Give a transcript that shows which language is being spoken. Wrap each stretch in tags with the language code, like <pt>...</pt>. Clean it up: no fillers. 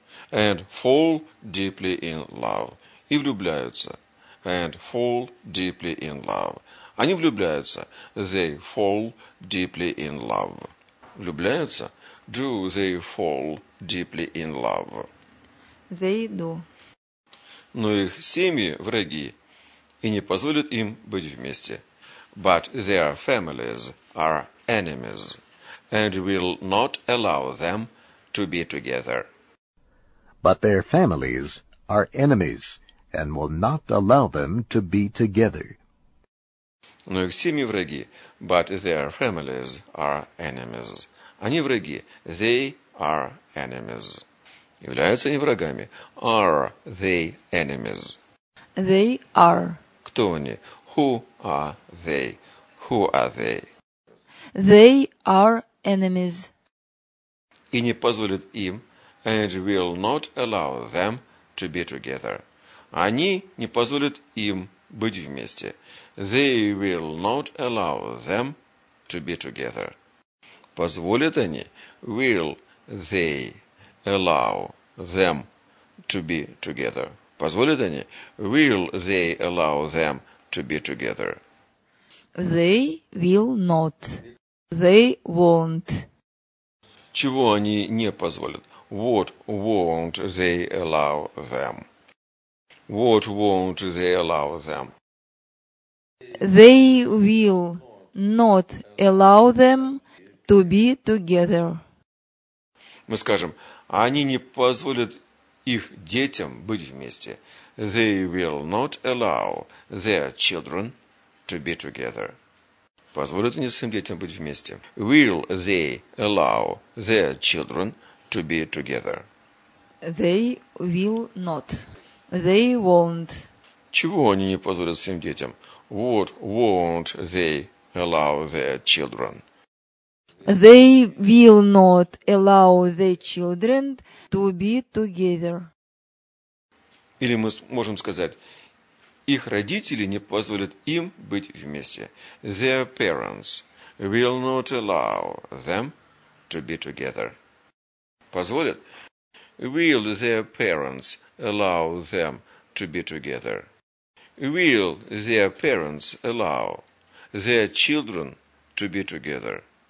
<en>And fall deeply in love.</en> <ru>И влюбляются.</ru> <en>And fall deeply in love.</en> <ru>Они влюбляются.</ru> <en>They fall deeply in love.</en> <ru>Влюбляются.</ru> <en>Do they fall deeply in love? They do.</en> <ru>Но их семьи враги и не позволят им быть вместе.</ru> <en>But their families are enemies and will not allow them to be together. But their families are enemies and will not allow them to be together.</en> <ru>Но их семьи враги.</ru> <en>But their families are enemies.</en> <ru>Они враги.</ru> <en>They are enemies.</en> <ru>Являются они врагами.</ru> <en>Are they enemies? They are.</en> <ru>Кто они?</ru> <en>Who are they? Who are they? They are enemies.</en> <ru>И не позволят им.</ru> <en>And will not allow them to be together.</en> <ru>Они не позволят им быть вместе.</ru> <en>They will not allow them to be together.</en> <ru>Позволят они?</ru> <en>Will they allow them to be together?</en> <ru>Позволят они?</ru> <en>Will they allow them to be together? They will not. They won't.</en> <ru>Чего они не позволят?</ru> <en>What won't they allow them? What won't they allow them? They will not allow them to be together.</en> <ru>Мы скажем, они не позволят их детям быть вместе.</ru> <en>They will not allow their children to be together.</en> <ru>Позволят они своим детям быть вместе.</ru> <en>Will they allow their children to be together? They will not. They won't.</en> <ru>Чего они не позволят своим детям?</ru> <en>What won't they allow their children? They will not allow their children to be together.</en> <ru>Или мы можем сказать, их родители не позволят им быть вместе.</ru> <en>Their parents will not allow them to be together.</en> <ru>Позволят?</ru> <en>Will their parents allow them to be together? Will their parents allow their children to be together?</en>